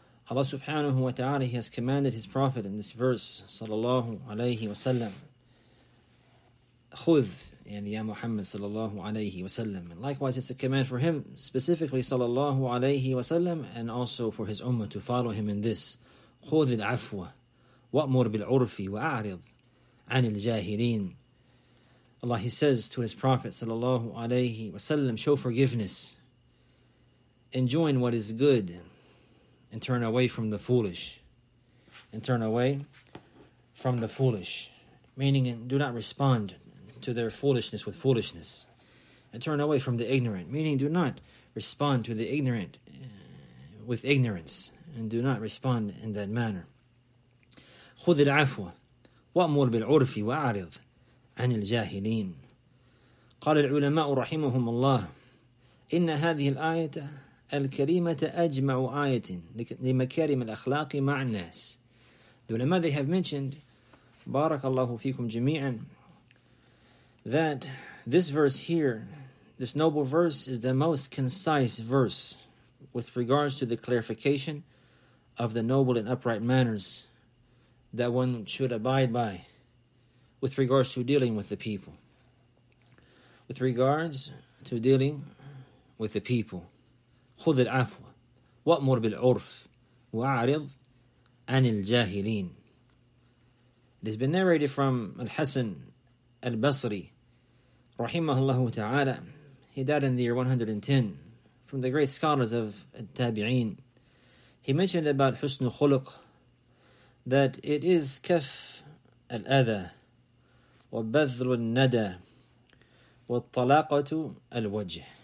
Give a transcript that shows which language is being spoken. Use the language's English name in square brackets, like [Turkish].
[English] Allah subhanahu wa ta'ala, He has commanded His Prophet in this verse, sallallahu alayhi wa sallam, khudh, and Ya Muhammad sallallahu alayhi wa sallam. And likewise, it's a command for him specifically, sallallahu alayhi wa sallam, and also for his ummah to follow him in this. [Arabic] خذ العفو وأمر بالعرف وأعرض عن الجاهلين. [English] Allah, He says to His Prophet sallallahu alayhi wa sallam, show forgiveness, enjoin what is good, and turn away from the foolish. And turn away from the foolish, meaning do not respond to their foolishness with foolishness, and turn away from the ignorant, meaning do not respond to the ignorant with ignorance, and do not respond in that manner. [Arabic] خذ العفو وأمر بالعرف وأعرض عن الجاهلين. قال العلماء رحمهم الله إن هذه الآية الكريمة أجمع آية لمكارم الأخلاق مع الناس. [English] The ulama, they have mentioned, barakallahu fikum jami'an, that this verse here, this noble verse, is the most concise verse with regards to the clarification of the noble and upright manners that one should abide by with regards to dealing with the people. With regards to dealing with the people. [Arabic] خذ العفو وأمر بالعرف وأعرض عن الجاهلين. [English] It has been narrated from Al-Hasan Al-Basri, Rahimahullah ta'ala, he died in the year 110, from the great scholars of Tabi'een. He mentioned about Husn al-Khuluq, that it is [Arabic] Kaf al-Adha, wa Badhl al-Nada, wa Talaqatu al-Wajh.